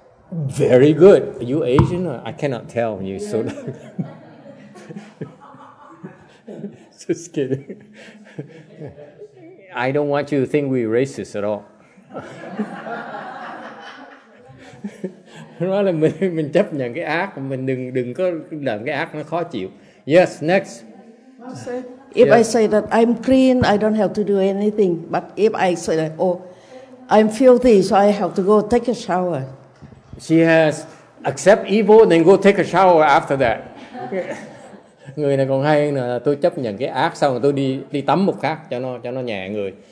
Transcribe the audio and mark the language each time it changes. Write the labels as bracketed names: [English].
[English] Very good. Are you Asian? I cannot tell you. Yeah. So. Just kidding. I don't want you to think we're racist at all. [Vietnamese] Nói là mình chấp nhận cái ác, mình đừng có làm cái ác nó khó chịu. [English] Yes, next. If I say that I'm clean, I don't have to do anything. But if I say that, oh, I'm filthy, so I have to go take a shower. She has accept evil, then go take a shower after that. [Vietnamese] Người này còn hay là tôi chấp nhận cái ác xong rồi tôi đi tắm một khác cho nó nhẹ người.